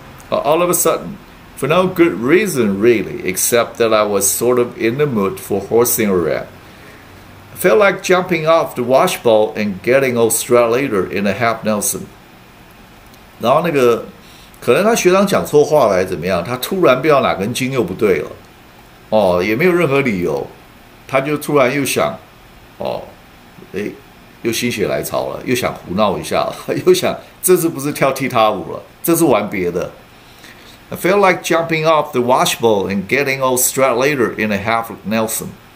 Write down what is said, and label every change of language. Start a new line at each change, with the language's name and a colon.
English: All of a sudden, for no good reason really, except that I was sort of in the mood for horsing around. Felt like jumping off the washbowl and getting old Stradlater in a half Nelson.
Chinese: 然后那个，可能他学长讲错话来怎么样？他突然不知道哪根筋又不对了，哦，也没有任何理由，他就突然又想，哦，哎，又心血来潮了，又想胡闹一下了，又想这次不是跳踢踏舞了，这是玩别的。
English: I felt like jumping off the washbowl and getting old Stradlater in a half Nelson.